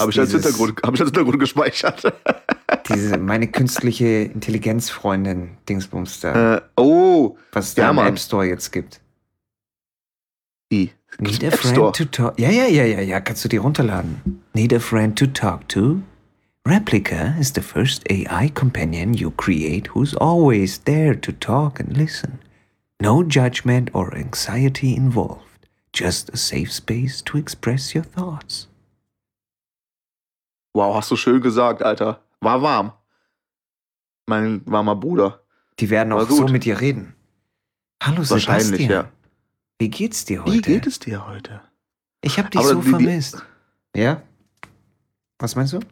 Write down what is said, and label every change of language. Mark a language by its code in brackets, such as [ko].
[de] Habe ich als Hintergrund gespeichert. Diese, meine künstliche Intelligenzfreundin, Dingsbums da. Oh, was es da im App Store jetzt gibt. [en] Need a friend to talk. [de] Ja. Kannst du die runterladen? [en] Need a friend to talk to? Replica is the first AI companion you create who's always there to talk and listen. No judgment or anxiety involved. Just a safe space to express your thoughts. [de] Wow, hast du schön gesagt, Alter. War warm. Mein warmer Bruder. Die werden auch so mit dir reden. Hallo Sebastian. Wahrscheinlich, ja. Wie geht's dir heute? Wie geht es dir heute? Ich hab dich vermisst. Ja? Was meinst du?